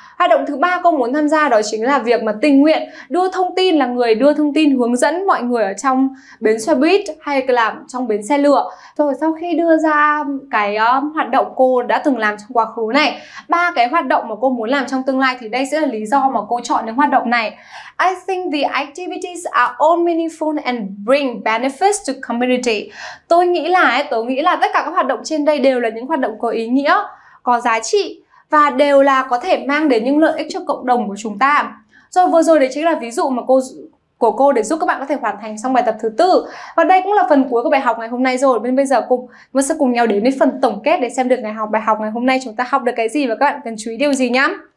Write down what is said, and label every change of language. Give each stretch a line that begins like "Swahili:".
Vietnamese: Hoạt động thứ ba cô muốn tham gia đó chính là việc mà tình nguyện đưa thông tin, là người đưa thông tin hướng dẫn mọi người ở trong bến xe buýt hay là trong bến xe lửa. Rồi sau khi đưa ra cái hoạt động cô đã từng làm trong quá khứ này, ba cái hoạt động mà cô muốn làm trong tương lai thì đây sẽ là lý do mà cô chọn những hoạt động này.
English: I think the activities are all meaningful and bring benefits to community.
Vietnamese: Tôi nghĩ là tất cả các hoạt động trên đây đều là những hoạt động có ý nghĩa, có giá trị và đều là có thể mang đến những lợi ích cho cộng đồng của chúng ta. Rồi vừa rồi đấy chính là ví dụ mà của cô để giúp các bạn có thể hoàn thành xong bài tập thứ tư. Và đây cũng là phần cuối của bài học ngày hôm nay rồi. Bên bây giờ chúng ta sẽ cùng nhau đến với phần tổng kết để xem được bài học ngày hôm nay chúng ta học được cái gì và các bạn cần chú ý điều gì nhá.